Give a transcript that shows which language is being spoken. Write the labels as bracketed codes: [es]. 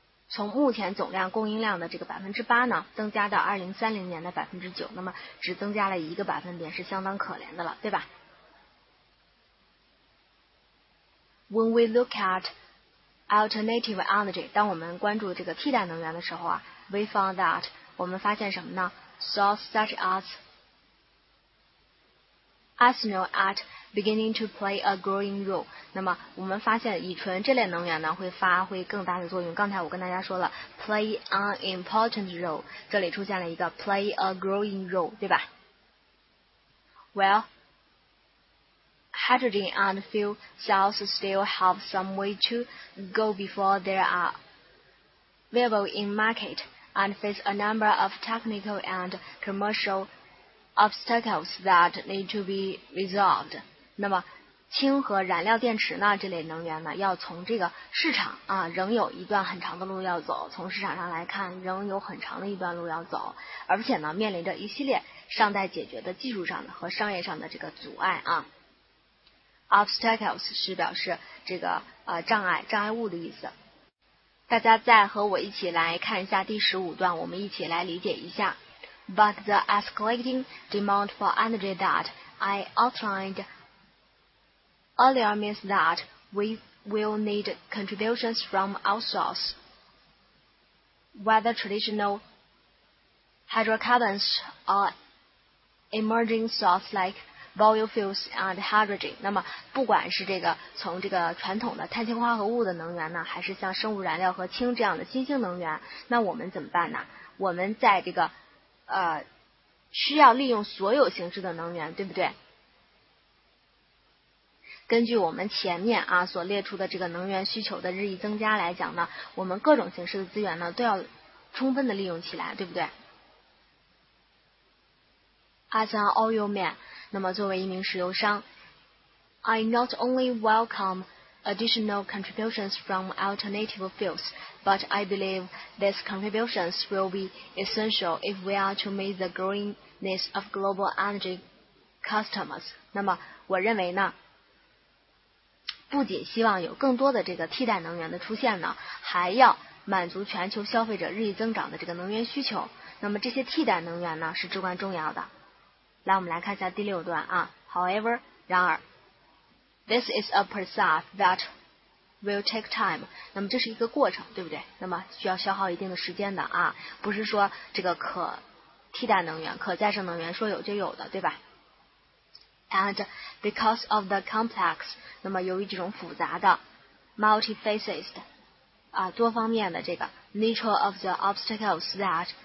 [zh] 从目前总量供应量的这个8%呢，增加到2030年的9%，那么只增加了1%，是相当可怜的了，对吧 ？ [en] When we look at alternative energy， [zh] 当我们关注这个替代能源的时候啊 ， [en] we found that [zh] 我们发现什么呢 ？ [en] Source such as ethanol at beginning to play a growing role。 [zh] 那么我们发现乙醇这类能源呢会发挥更大的作用。刚才我跟大家说了 ， [en] play an important role， [zh] 这里出现了一个 [en] play a growing role， [zh] 对吧 ？ [en] Well， hydrogen and fuel cells still have some way to go before they are viable in market and face a number of technical and commercial obstacles that need to be resolved。 [zh] 那么氢和燃料电池呢这类能源呢要从这个市场啊仍有一段很长的路要走，从市场上来看仍有很长的一段路要走，而且呢面临着一系列尚待解决的技术上的和商业上的这个阻碍啊。 Obstacles 是表示这个障碍、障碍物的意思。大家再和我一起来看一下第十五段，我们一起来理解一下。 [en] But the escalating demand for energy that I outlined earlier means that we will need contributions from outsources, whether traditional hydrocarbons or emerging sources like biofuels and hydrogen。 [zh] 那么不管是这个从这个传统的碳氢化合物的能源呢，还是像生物燃料和氢这样的新兴能源，那我们怎么办呢？我们在这个需要利用所有形式的能源，对不对？根据我们前面啊所列出的这个能源需求的日益增加来讲呢，我们各种形式的资源呢都要充分的利用起来，对不对？ [en] As an oil man， [zh] 那么作为一名石油商 [en] I not only welcome additional contributions from alternative fuels, but I believe these contributions will be essential if we are to meet the growing needs of global energy customers。 [zh] 那么我认为呢，不仅希望有更多的这个替代能源的出现呢，还要满足全球消费者日益增长的这个能源需求。那么这些替代能源呢是至关重要的。来，我们来看一下第六段啊。 [en] However， [zh] 然而 [en] ，this is a process that will take time。 [zh] 那么这是一个过程，对不对？那么需要消耗一定的时间的啊，不是说这个可替代能源、可再生能源说有就有的，对吧 ？ [en] And because of the complex， [zh] 那么由于这种复杂的 ，multifaceted， 啊，多方面的这个 [en] nature of the obstacles that。